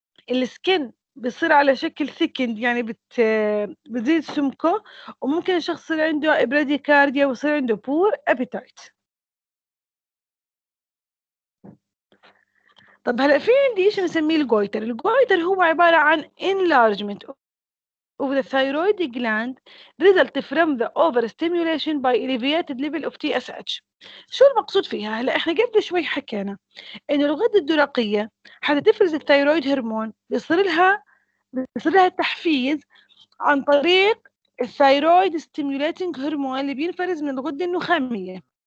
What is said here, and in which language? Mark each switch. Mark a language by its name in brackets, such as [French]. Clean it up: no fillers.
[Arabic] السكن بصير على شكل thickened يعني بتزيد سمكه، وممكن الشخص يصير عنده bradycardia ويصير عنده poor appetite. طب هلا في عندي ايش نسميه الجويتر. الجويتر هو عبارة عن [English] enlargement of the thyroid gland result from the overstimulation by elevated level of TSH. [Arabic] شو المقصود فيها؟ هلا احنا قبل شوي حكينا انه الغدة الدرقية حتتفرز الثايرويد هرمون، بيصير لها تحفيز عن طريق الثايرويد stimulating هرمون اللي بينفرز من الغدة النخامية.